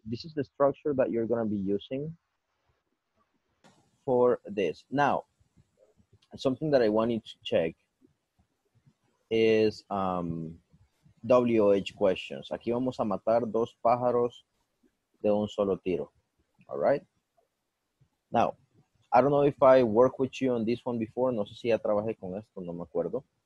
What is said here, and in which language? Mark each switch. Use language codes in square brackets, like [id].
[en] This is the structure that you're going to be using for this. Now, something that I want you to check is WH questions. [es] Aquí vamos a matar dos pájaros de un solo tiro. [en] All right? Now, I don't know if I worked with you on this one before. [es] No sé si ya trabajé con esto, no me acuerdo.